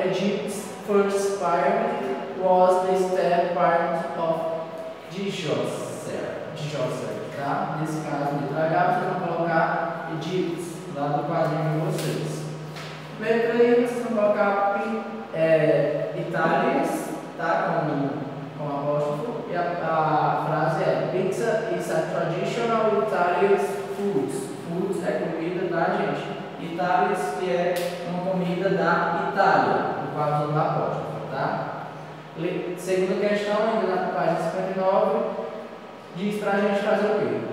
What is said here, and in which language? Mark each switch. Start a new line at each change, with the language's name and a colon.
English: Egypt's first pyramid was the step pyramid of Djoser, tá?
Portuguese: Nesse caso, letra H, vocês vão colocar Egypt lá do quadrinho de vocês. Letra I, vocês vão colocar Italians, tá? Com apóstrofo. E a frase é:
English: pizza is a traditional Italian food.
Portuguese: Food é comida da gente. Italians, que é uma comida da Itália. Página da apóstrofo, tá? Segunda questão, ainda na página 59, diz pra gente fazer o quê?